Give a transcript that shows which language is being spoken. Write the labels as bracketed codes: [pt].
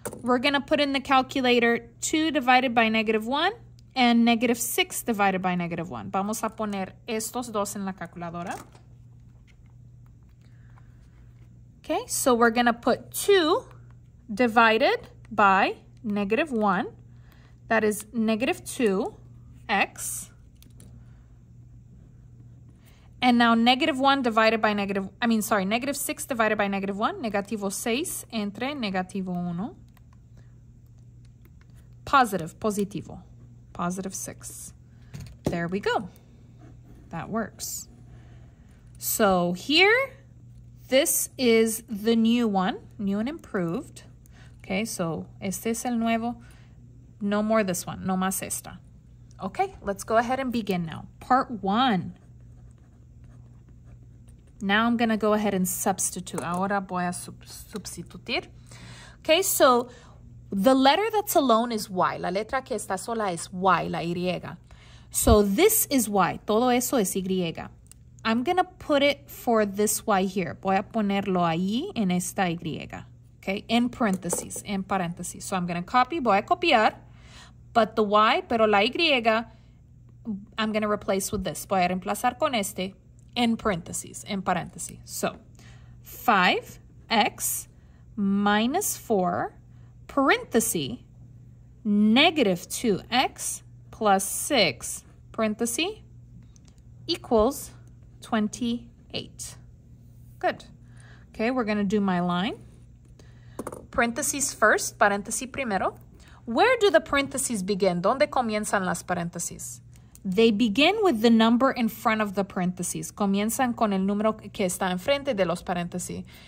[en] We're going to put in the calculator 2 divided by negative 1 and negative 6 divided by negative 1. [es] Vamos a poner estos dos en la calculadora. [en] Okay, so we're going to put 2 divided by negative 1. That is negative 2x. And now negative 1 divided by negative, I mean, sorry, negative 6 divided by negative 1, [es] negativo 6 entre negativo 1, [en] positive, positivo, positive 6. There we go. That works. So here, this is the new one, new and improved. [es] Okay, so este es el nuevo. [en] No more this one, [es] no más esta. [en] Okay, let's go ahead and begin now. Part 1. Now I'm going to go ahead and substitute. [es] Ahora voy a substituir. [en] Okay, so the letter that's alone is Y. [es] La letra que está sola es Y, la Y. [en] So this is Y. [es] Todo eso es Y. [en] I'm going to put it for this Y here. [es] Voy a ponerlo ahí en esta Y. [en] Okay, in parentheses, in parentheses. So I'm going to copy, [es] voy a copiar. [en] But the Y, [es] pero la Y, [en] I'm going to replace with this. [es] Voy a reemplazar con este. [en] In parentheses, so 5x minus 4, parentheses, negative 2x plus 6, parentheses, equals 28. Good. Okay, we're going to do my line. Parentheses first, [es] parentheses primero. [en] Where do the parentheses begin? [es] ¿Dónde comienzan las parentheses? [en] They begin with the number in front of the parentheses. [es] Comienzan con el número que está enfrente de los parentheses.